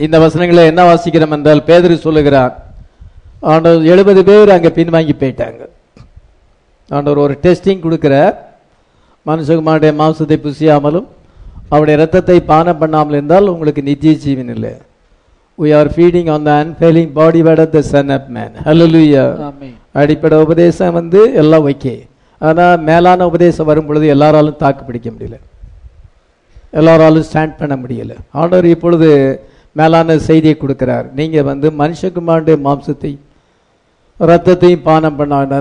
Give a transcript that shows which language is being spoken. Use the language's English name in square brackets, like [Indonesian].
[Tamil] இந்த வசனங்களை என்ன வாசிக்கிறோம் என்றால் பேதுரு சொல்லுகிறார், ஆண்டவர் 70 அங்க பின்வாங்கி போயிட்டாங்க. ஆண்டவர் ஒரு டெஸ்டிங் கொடுக்கிற, மனுஷகுமாருடைய மாம்சத்தை புசியாமலும் அவருடைய ரத்தத்தை பானம் பண்ணாமல் இருந்தால் உங்களுக்கு நித்திய ஜீவன் இல்லை. [English] We are feeding on the unfailing body word of the Son of Man. Hallelujah. [Tamil] அடிப்படை உபதேசம் வந்து எல்லாம் ஓகே, ஆனால் மேலான உபதேசம் வரும்பொழுது எல்லாராலும் தாக்கு பிடிக்க முடியல, எல்லாராலும் ஸ்டாண்ட் பண்ண முடியல. ஆண்டவர் இப்பொழுது மேலான செய்தியை கொடுக்கிறார், நீங்கள் வந்து மனுஷகுமாருடைய மாம்சத்தையும் ரத்தத்தையும் பானம் பண்ண வேண்டாம்.